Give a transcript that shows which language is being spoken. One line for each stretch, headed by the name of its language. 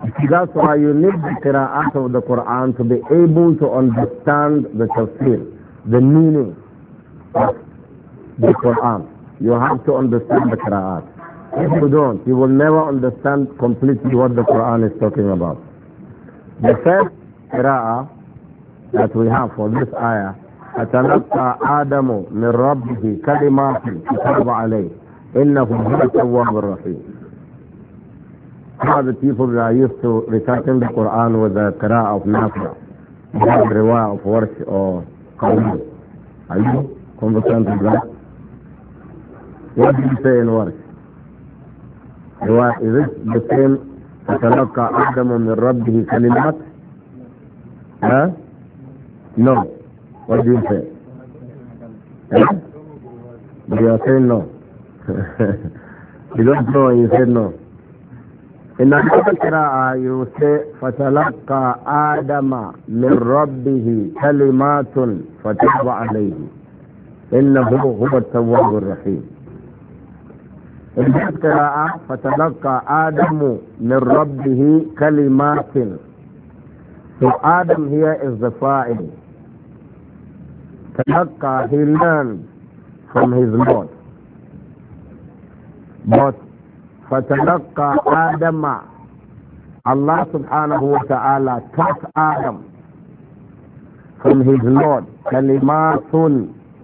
English: That's why you need the qira'at of the Quran to be able to understand the tafsir, the meaning of the Quran. You have to understand the qira'at. If you don't, you will never understand completely what the Quran is talking about. The first qira'ah that we have for this ayah,
Arabic: أَتَلَقَّى آدَمُ مِنْ رَبِّهِ كَلِمَاتٍ فَتَابَ عَلَيْهِ إِنَّهُ هُوَ التَّوَّابُ الرَّحِيمُ.
English: Some of the people that are used to reciting the Quran with the qira'ah of Nafi'a, the riwayah of Warsh or Qawwam. Are you conversant with that? What do you say in Warsh? Is it the same,
Arabic: أَتَلَقَّى آدَمُ مِنْ رَبِّهِ كَلِمَاتٍ؟
English: Huh? No. What do you say? Yeah? You are saying no. You don't know when you say no. In another qira'ah, you say,
Arabic: فَتَلَقَّى آدَمَ مِنْ رَبِّهِ كَلِمَاتٌ فَتَابَ عَلَيْهِ إِنَّهُ هُوَ التَّوَّابُ الرَّحِيمُ.
English: In this qira'ah,
Arabic: فَتَلَقَّى آدَمُ مِنْ رَبِّهِ كَلِمَاتٍ.
English: So Adam here is the fa'il. Talaqqa, he learned from his Lord. But
Arabic: فَتَلَقَّى آدَمَ,
English: Allah subhanahu wa ta'ala taught Adam from his Lord
Arabic: كَلِمَاتٌ.